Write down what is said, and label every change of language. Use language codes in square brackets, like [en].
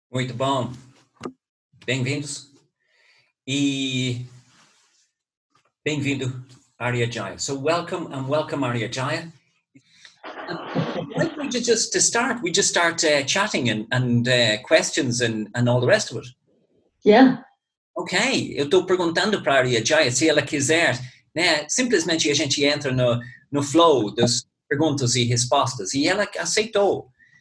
[pt] Muito bom, bem-vindos e bem-vindo, Arya Jaya. [en] So welcome and welcome, Arya Jaya. Like to just to start, we just start chatting and questions and all the rest of it. [pt] Okay, eu estou perguntando para Arya Jaya se ela quiser, né? Simplesmente a gente entra no flow das perguntas e respostas e ela aceitou.